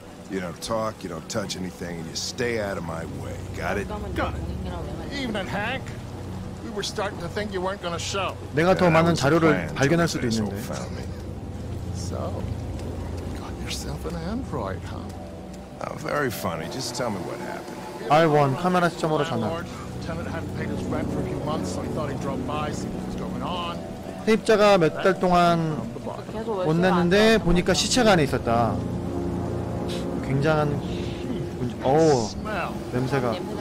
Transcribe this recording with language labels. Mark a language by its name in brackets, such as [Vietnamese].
[English] You don't talk, you don't touch anything, and you stay out of my way. Got it? Got it. Evening, Hank. We were starting to think you weren't gonna show. [Korean] 내가 더 많은 자료를 발견할 수도 있는데. [English] So, got yourself an android, huh? Oh, very funny. Just tell me what happened. I won. [Korean] 카메라 시점으로 전화. [English] Tenant hadn't paid his rent for a few months, so he thought he'd drop by, see what was going on. [Korean] 세입자가 몇 달 동안 못 냈는데 보니까 시체가 안에 있었다. 굉장한 어우 냄새가.